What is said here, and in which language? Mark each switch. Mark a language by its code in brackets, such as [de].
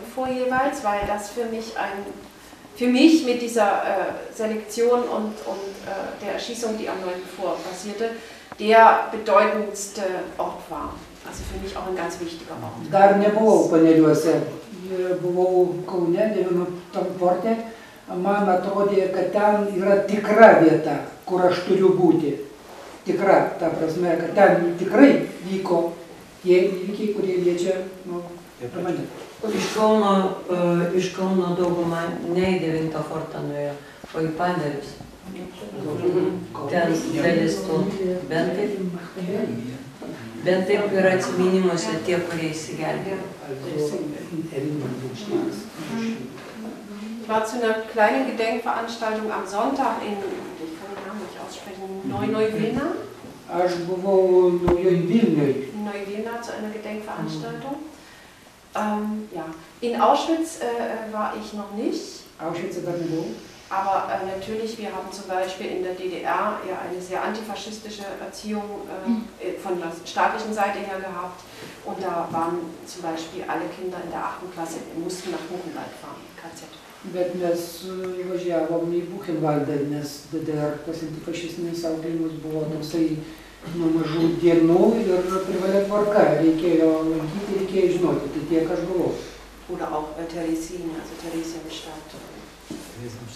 [de] vor jeweils, weil das für mich mit dieser Selektion und der Erschießung, die am 9. vor passierte, der bedeutendste Ort war. Also für mich auch ein ganz wichtiger Ort. [lt] Dar nebuvau Paneriuose. Buvau Kaune, 9. forte. Man atrodė, kad ten yra tikra vieta, kur aš turiu būti. Tikra, ta prasme, kad ten tikrai vyko tie įvykiai, kurie liečia mane. Iš Kauno daugumą ne į 9. fortą nuėjo, o į Panerius. Ten dalis to bent taip yra atsiminimuose tie, kurie įsigelbėjo. [de] Ich war zu einer kleinen Gedenkveranstaltung am Sonntag in, ich kann den Namen nicht aussprechen, Neu-Neu-Wilna. [lt] Aš buvau Neu-Wilna. [de] Neu-Wilna zu einer Gedenkveranstaltung. Ja. In Auschwitz war ich noch nicht. Auschwitz ist dann wo? Aber natürlich, wir haben zum Beispiel in der DDR ja eine sehr antifaschistische Erziehung von der staatlichen Seite her gehabt. Und da waren zum Beispiel alle Kinder in der 8. Klasse, mussten nach Buchenwald fahren, KZ. [lt] Bet mes įvažiavom į Buchenwaldą, nes DDR tas antifašistinis auklėjimas buvo toksai nuo mažų dienų ir privalė tvarka. Reikėjo lankyti, reikėjo žinoti, tai tiek aš buvau. [de] Oder auch Theresienstadt, also Theresienstadt.